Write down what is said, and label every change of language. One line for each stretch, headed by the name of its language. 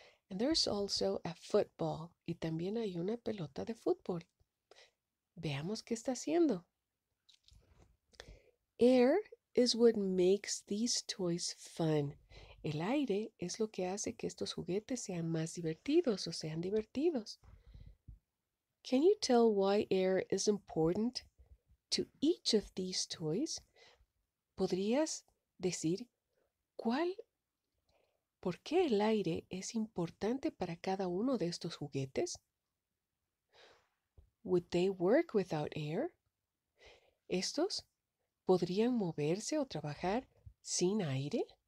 English: And there's also a football.
Spanish: Y también hay una pelota de fútbol. Veamos qué está haciendo.
English: Air is what makes these toys fun.
Spanish: El aire es lo que hace que estos juguetes sean más divertidos o sean divertidos.
English: Can you tell why air is important to each of these toys?
Spanish: ¿Podrías decir cuál, por qué el aire es importante para cada uno de estos juguetes?
English: Would they work without air?
Spanish: ¿Estos podrían moverse o trabajar sin aire?